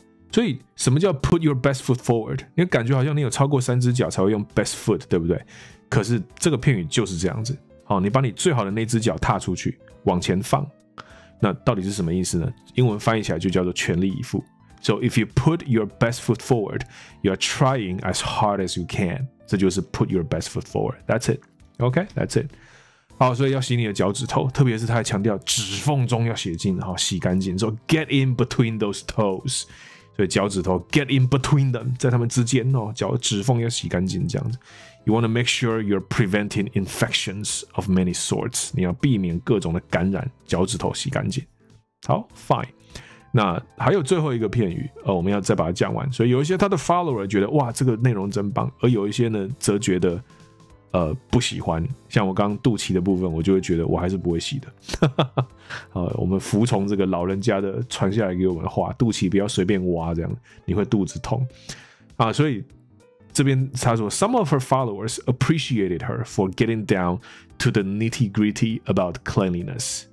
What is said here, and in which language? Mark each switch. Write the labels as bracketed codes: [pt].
[zh] 所以什么叫 [en] put your best foot forward？ [zh] 你感觉好像你有超过三只脚才会用 best foot， 对不对？可是这个片语就是这样子，好，你把你最好的那只脚踏出去，往前放。那到底是什么意思呢？英文翻译起来就叫做全力以赴。 [en] So if you put your best foot forward, you are trying as hard as you can. [zh] 这就是 [en] put your best foot forward. That's it. OK, that's it. [zh] 好，所以要洗你的脚趾头，特别是他还强调指缝中要洗净，好，洗干净。 [en] So get in between those toes. [zh] 所以脚趾头 [en] get in between them， [zh] 在他们之间哦，指缝要洗干净这样子。 [en] You want to make sure you're preventing infections of many sorts. [zh] 你要避免各种的感染，脚趾头洗干净。好 ，fine。那还有最后一个片语，我们要再把它讲完。所以有一些他的 follower 觉得哇，这个内容真棒，而有一些呢则觉得，不喜欢，像我刚肚脐的部分，我就会觉得我还是不会洗的。我们服从这个老人家的传下来给我们的话，肚脐不要随便挖，这样你会肚子痛啊。所以这边他说 [en] ，Some of her followers appreciated her for getting down to the nitty gritty about cleanliness。